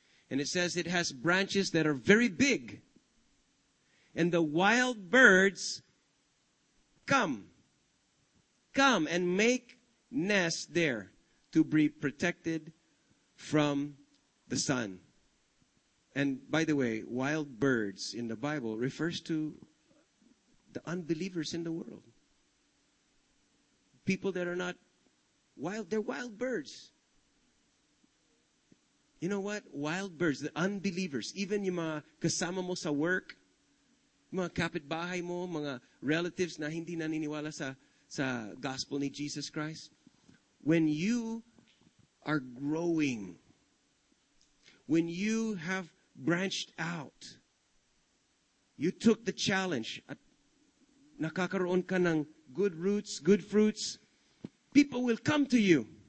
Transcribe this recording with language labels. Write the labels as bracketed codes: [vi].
[en] And it says it has branches that are very big. And the wild birds come and make nests there to be protected from the sun. And by the way, wild birds in the Bible refers to the unbelievers in the world. People that are not wild, they're wild birds. You know what? Wild birds, the unbelievers, even [tl] yung mga kasama mo sa work, mga kapitbahay mo, mga relatives na hindi naniniwala sa gospel ni Jesus Christ. [en] When you are growing, when you have branched out, you took the challenge, [tl] at nakakaroon ka ng [en] good roots, good fruits, people will come to you.